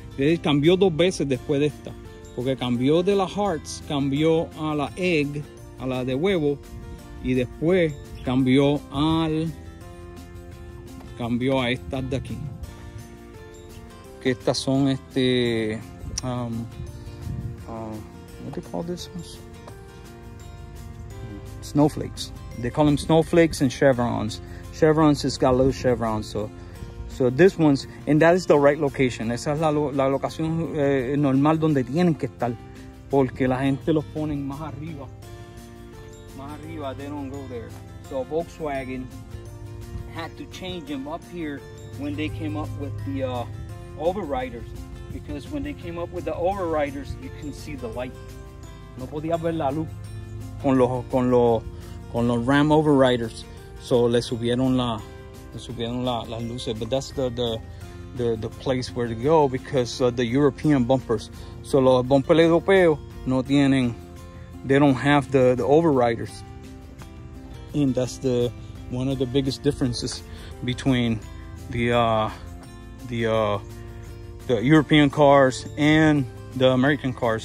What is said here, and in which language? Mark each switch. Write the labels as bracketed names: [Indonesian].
[Spanish] It cambió dos veces después de esta, porque cambió de la hearts, cambió a la egg, a la de huevo, y después cambió a estas de aquí, que estas son [English] what do you call this ones? Snowflakes. They call them snowflakes and chevrons. Chevrons has got little chevrons. So this one's, and that is the right location. [Spanish] Esa es la locación normal donde tienen que estar, porque la gente los ponen más arriba. [English] They don't go there. So Volkswagen had to change them up here when they came up with the overriders, because when they came up with the overriders, you can see the light. [Spanish] No podía ver la luz con los Ram overriders. So le subieron las luces. [English] But that's the place where to go, because the European bumpers. [Spanish] So los bumpers europeos no tienen. [English] They don't have the overriders. And that's one of the biggest differences between the European cars and the American cars.